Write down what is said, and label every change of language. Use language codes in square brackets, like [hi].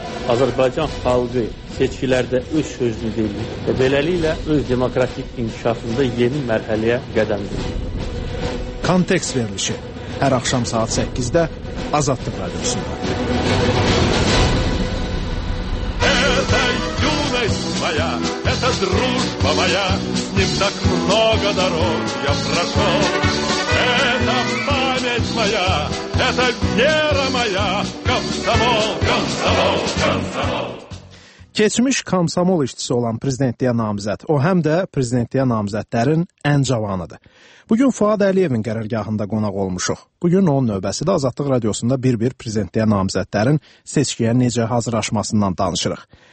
[az] Azərbaycan xalqı seçkilərdə öz sözünü deyilir və beləliklə öz demokratik inkişafında yeni mərhələyə qədəmdir. Kontekst verilişi hər axşam saat 8-də Azadlıq Radiosunda. [ru] Это дружба моя, с ним так много дорог я прошел. Это память моя, это вера моя, комсомол, комсомол, комсомол. [az] Keçmiş komsomol işçisi olan prezidentliyə namizəd, o həm də prezidentliyə namizədlərin ən cavanıdır. Bugün Fuad Əliyevin qərargahında qonaq olmuşuq. Bugün onun növbəsi də Azadlıq Radiosunda bir-bir prezidentliyə namizədlərin seçkiyə necə hazırlaşmasından danışırıq.